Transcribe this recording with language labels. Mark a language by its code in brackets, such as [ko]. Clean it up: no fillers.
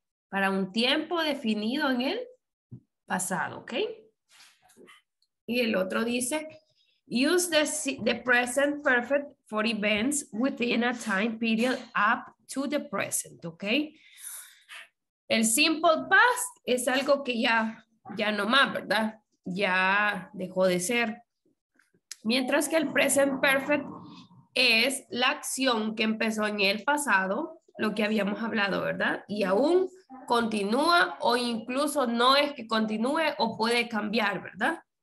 [es] Para un tiempo definido en el pasado, okay? Y el otro dice, [en] use the present perfect for events within a time period up to the present, okay? [es] El simple past es algo que ya no más, ¿verdad? Ya dejó de ser. Mientras que el present perfect es la acción que empezó en el pasado, lo que habíamos hablado, ¿verdad? Y aún continúa o incluso no es que continúe o puede cambiar, ¿verdad?